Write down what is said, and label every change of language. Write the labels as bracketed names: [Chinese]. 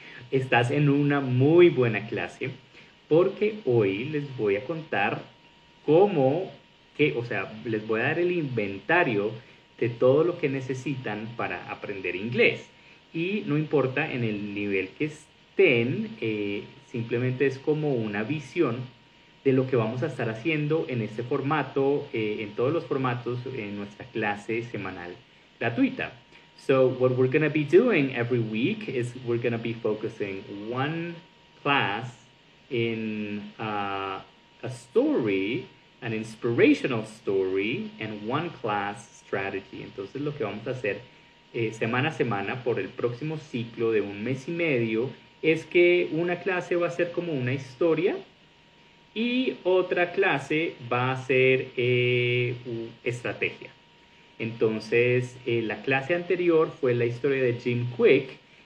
[Spanish] Estás en una muy buena clase, porque hoy les voy a contar les voy a dar el inventario de todo lo que necesitan para aprender inglés. Y no importa en el nivel que estén, simplemente es como una visión de lo que vamos a estar haciendo en este formato, en todos los formatos, en nuestra clase semanal gratuita. [English] So, what we're going to be doing every week is we're going to be focusing one class in a story, an inspirational story, and one class strategy. [Spanish] Entonces, lo que vamos a hacer semana a semana por el próximo ciclo de un mes y medio es que una clase va a ser como una historia, y otra clase va a ser estrategia. Entonces, la clase anterior fue la historia de Jim Quick.